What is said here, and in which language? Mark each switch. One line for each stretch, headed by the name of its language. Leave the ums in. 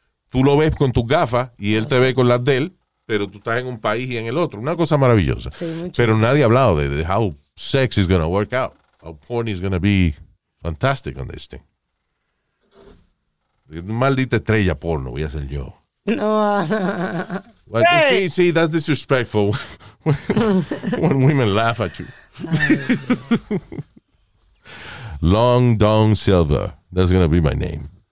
Spanish: Tú lo ves con tus gafas y él te ve con las de él, pero tú estás en un país y en el otro. Una cosa maravillosa. Sí, muy chulo. pero nadie ha hablado de, de
English: how sex is going to work out. How porn is going to be fantastic on this thing.
Spanish: Maldita estrella porno voy a ser yo. No.
English: What- See, see, that's disrespectful when women laugh at you. Long Dong Silver. That's going to be my name.